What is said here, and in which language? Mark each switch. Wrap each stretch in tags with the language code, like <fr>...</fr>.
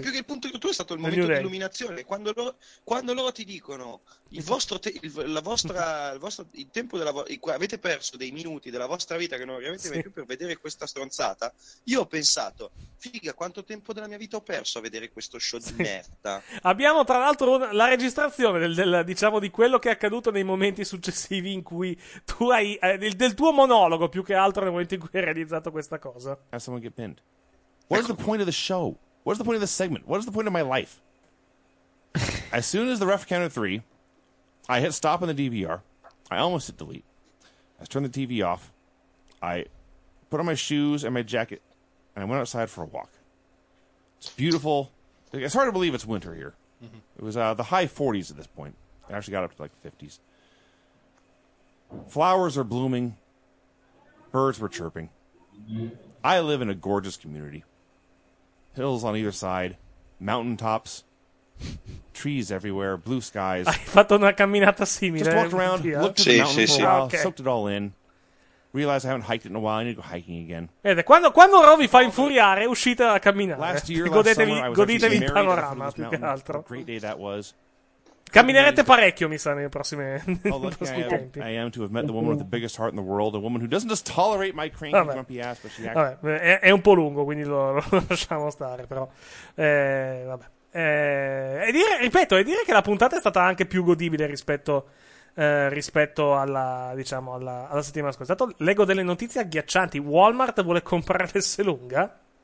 <it>Più che il punto di rottura è stato il momento di illuminazione. Quando loro ti dicono avete perso dei minuti della vostra vita che non avete più per vedere questa stronzata, io ho pensato, figa, quanto tempo della mia vita ho perso a vedere questo show di merda. Abbiamo tra l'altro la registrazione diciamo di quello che è accaduto nei momenti successivi in cui tu hai del tuo monologo, più che altro nel momento in cui hai realizzato questa cosa.</it> <en>Have someone get pinned. What is the point of the show? What is the point of the segment? What is the point of my life? As soon as the ref counted 3, I hit stop on the DVR. I almost hit delete. I turned the TV off. I put on my shoes and my jacket, and I went outside for a walk. It's beautiful. It's hard to believe it's winter here. Mm-hmm. It was the high 40s at this point. It actually got up to like the 50s. Flowers are blooming. Birds were chirping. I live in a gorgeous community. Hills on either side. Mountaintops. Trees everywhere. Blue skies.</en> <it>Hai fatto una camminata simile.</it> <en>Just walked around, looked at the mountain for a while, soaked it all in. Realized I haven't hiked it in a while, I need to go hiking again.</en> <it>Vede, quando Rovi fa infuriare, uscite a camminare.</it> <en>Last year,</en> <it>godetevi il panorama, più che altro.</it> <en>What a great day that was.</en> <it>Camminerete parecchio, mi sa, nei prossimi tempi.</it> <en>I am to have met the woman with the biggest heart in the world, a woman who doesn't just tolerate my cranky, grumpy ass, but she actually...</en> <it>Vabbè, è un po' lungo, quindi lo lasciamo stare, però. Vabbè. È dire che la puntata è stata anche più godibile rispetto alla, diciamo, alla settimana scorsa. Tanto leggo delle notizie agghiaccianti. Walmart vuole comprare l'Esselunga.</it>